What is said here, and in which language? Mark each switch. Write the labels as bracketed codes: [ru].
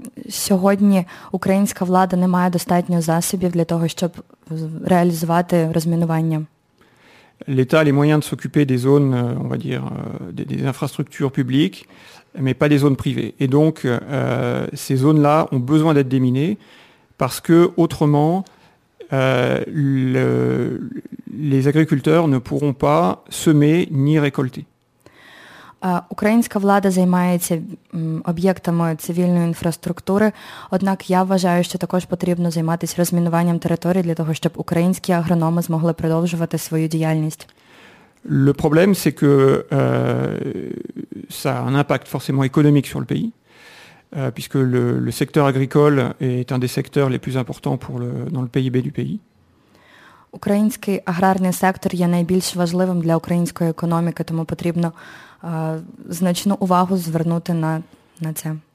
[uk] Сьогодні українська влада не має достатньо засобів для того, щоб реалізувати розмінування. [fr] L'État a les moyens de s'occuper des zones, on va dire, des infrastructures publiques, mais pas des zones privées. Et donc, ces zones-là ont besoin d'être déminées, parce que autrement, les agriculteurs ne pourront pas semer ni récolter. [uk] Українська влада займається об'єктами цивільної інфраструктури, однак я вважаю, що також потрібно займатися розмінуванням територій для того, щоб українські агрономи змогли продовжувати свою діяльність. [fr] Le problème, c'est que ça a un impact forcément économique sur le pays, puisque le secteur agricole est un des secteurs les plus importants dans le PIB du pays. [uk] Український аграрний сектор є найбільш важливим для української економіки, тому потрібно значну увагу звернути на це.